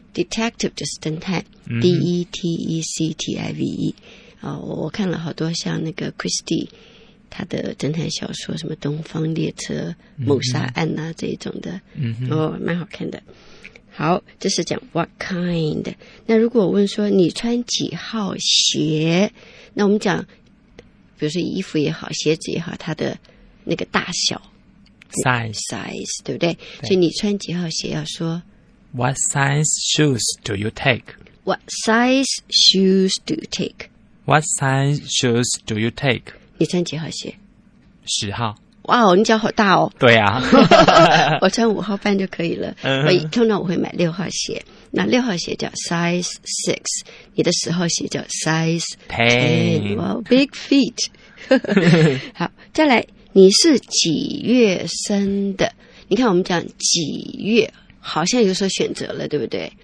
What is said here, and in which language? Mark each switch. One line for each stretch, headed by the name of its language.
Chinese: detective 就是侦探、D-E-T-E-C-T-I-V-E我看了好多像那个 Christie 他的侦探小说什么东方列车谋杀案啊、这一种的、蛮好看的好这是讲
English: what kind
Chinese: 那如果我问说你穿几号鞋那我们讲比如说衣服也好鞋子也好它的那个大小
English: size
Chinese: 对不 对, 对所以你穿几号鞋要说
English: What size shoes do you take? What size shoes do you take? What size shoes do you take?
Chinese: 你穿几号鞋十号哇、
English: wow,
Chinese: 你脚好大哦对啊我穿五号半就可以了、嗯、通常我会买六号鞋那六号鞋叫 size 6你的十号鞋叫 size
English: 10 wow, big feet
Chinese: 好再来你是几月生的你看我们讲几月好像有所选择了对不对、